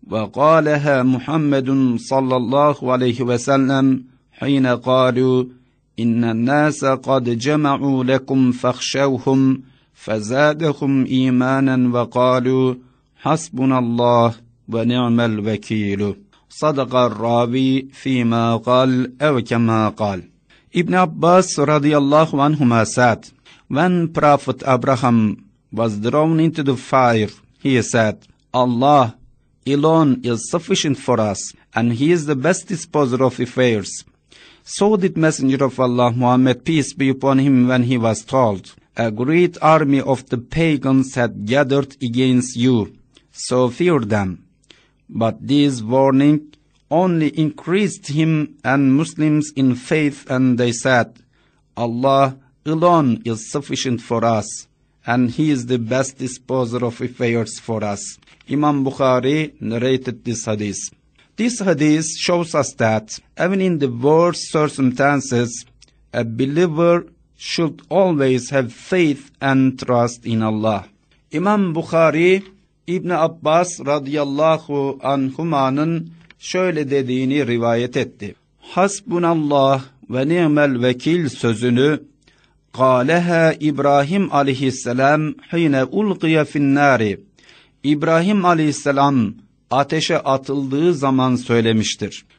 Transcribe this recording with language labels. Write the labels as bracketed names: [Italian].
[Arabic] وقالها محمد صلى الله عليه وسلم حين قالوا إن الناس قد جمعوا لكم فاخشوهم فزادهم إيمانا وقالوا حسبنا الله ونعم الوكيل صدق الراوي فيما قال أو كما قال ابن عباس رضي الله عنهما [English] said when prophet Abraham was thrown into the fire he said Allah alone is sufficient for us, and he is the best disposer of affairs. So did Messenger of Allah Muhammad, peace be upon him, when he was told, a great army of the pagans had gathered against you, so fear them. But this warning only increased him and Muslims in faith, and they said, Allah alone is sufficient for us, and he is the best disposer of affairs for us. İmam Bukhari narrated this hadith. This hadith shows us that, even in the worst circumstances, a believer should always have faith and trust in Allah. [Turkish] İmam Bukhari, İbn Abbas radıyallahu anhuma'nın şöyle dediğini rivayet etti. Hasbunallah ve ni'mel vekil sözünü, [Arabic] قَالَهَا [Turkish] İbrahim aleyhisselam [Arabic] حِينَ اُلْقِيَ فِي النَّارِ [Turkish] İbrahim aleyhisselam ateşe atıldığı zaman söylemiştir.